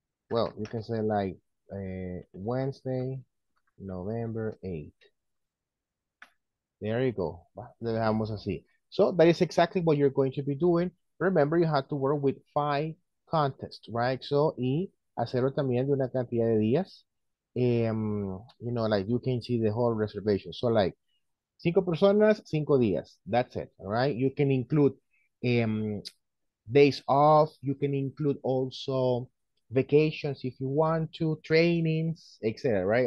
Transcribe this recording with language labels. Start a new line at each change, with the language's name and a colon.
English: Well, you can say like Wednesday, November 8th. There you go.
Spanish: Le dejamos así.
English: So that is exactly what you're going to be doing. Remember, you have to work with 5 contests, right?
Spanish: So, y hacerlo también de una cantidad de días.
English: You know, like you can see the whole reservation. So like,
Spanish: 5 personas, 5 días.
English: That's it, all right? You can include days off. You can include also vacations if you want to, trainings, etc., right?